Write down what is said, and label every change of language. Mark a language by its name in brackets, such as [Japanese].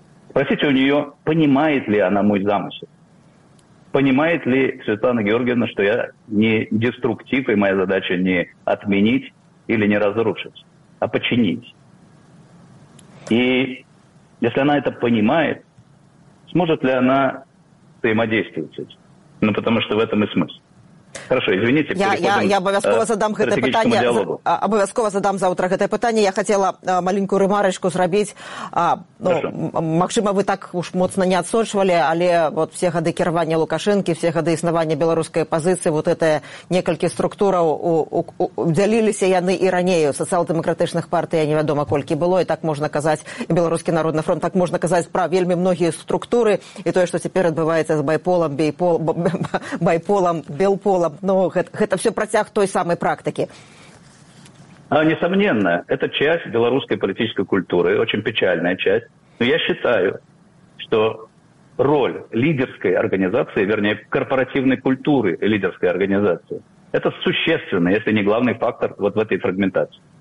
[Russian] Спросите у нее, понимает ли она мой замысел? Понимает ли Светлана Георгиевна, что я не деструктив, и моя задача не отменить или не разрушить, а починить? И если она это понимает, сможет ли она взаимодействовать с этим? Ну, потому что в этом и смысл. Хорошо, извините, [Belarusian] я обов'язково задам гэта пытанне, абавязкова задам заўтра гэтае пытанне. Я хацела маленькую рэмарачку зрабіць. Магчыма, вы так уж моцна не адсочвалі, але вот все гады кіравання Лукашэнкі, все гады існавання беларускай апазіцыі, вот гэтыя некалькі структураў дзяліліся яны і раней у сацыял-дэмакратычных партый, я невядома колькі было, і так можна казаць, і беларускі народны фронт, так можна казаць пра вельмі многія структуры, і тое, што цяпер адбываецца з байполам, белполам. [Russian] Но это все протяг той самой практики. Несомненно, это часть белорусской политической культуры, очень печальная часть. Но я считаю, что роль лидерской организации, вернее, корпоративной культуры лидерской организации, это существенный, если не главный фактор вот в этой фрагментации.